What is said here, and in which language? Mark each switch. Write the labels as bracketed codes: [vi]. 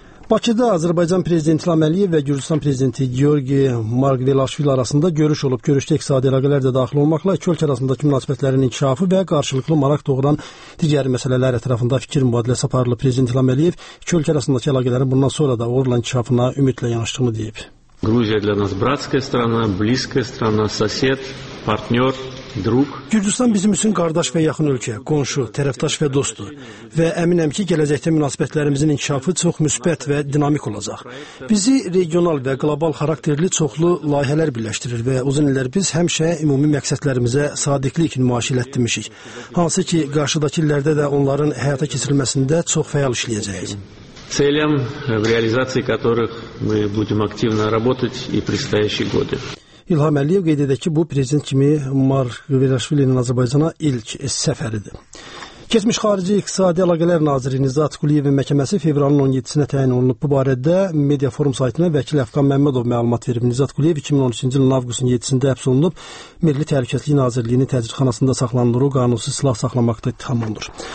[az] Bakıda Azərbaycan Prezidenti İlham Əliyev və Gürcüstan Prezidenti Georgi Margvelaşvili arasında görüş olub. Görüşdə iqtisadi əlaqələr də daxil olmaqla iki ölkə arasındakı münasibətlərin inkişafı və qarşılıqlı maraq doğuran digər məsələlər ətrafında fikir mübadiləsi aparılıb. Prezident İlham Əliyev iki ölkə arasındakı əlaqələrin bundan sonra da uğurla inkişafına ümidlə yanaşdığını deyib. [ru] Gruziya для нас братская страна, близкая страна, сосед, партнёр. [az] Gürcüstan bizim üçün qardaş və yaxın ölkə, qonşu, tərəfdaş və dostdur və əminəm ki, gələcəkdə münasibətlərimizin inkişafı çox müsbət və dinamik olacaq. Bizi regional və qlobal xarakterli çoxlu layihələr birləşdirir və uzun illər biz həmişə ümumi məqsədlərimizə sadiqlik nümayiş etdirmişik, hansı ki, qarşıdakı illərdə də onların həyata keçirilməsində çox fəal işləyəcəyik. [ru] Целям, в реализации которых мы будем активно работать и предстоящие годы. [az] İlham Əliyev qeyd edir ki, bu prezident kimi Margvelaşvilinin Azərbaycana ilk səfəridir. Keçmiş Xarici İqtisadi Əlaqələr Naziri Nizat Quliyevin məhkəməsi fevralın 17-sinə təyin olunub. Bu barədə Media Forum saytına vəkil Əfqan Məmmədov məlumat verib. Nizat Quliyev 2013-cü ilin avqustun 7-sində həbs olunub. Milli Təhlükəsizlik Nazirliyinin təcridxanasında saxlanılır, o qanunsuz silah saxlamaqda ittiham olunur.